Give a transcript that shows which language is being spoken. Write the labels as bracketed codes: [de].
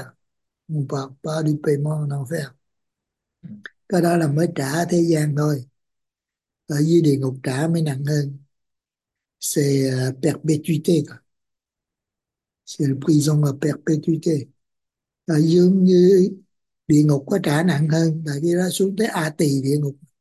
[fr] On ne parle pas du paiement en enfer. [vi] Cái đó là mới trả thế gian thôi. Ở dưới địa ngục trả mới nặng hơn. [fr] C'est perpétuité. C'est prison à perpétuité. [vi] Ở dưới như địa ngục có trả nặng hơn. Tại vì nó xuống tới A Tỳ địa ngục.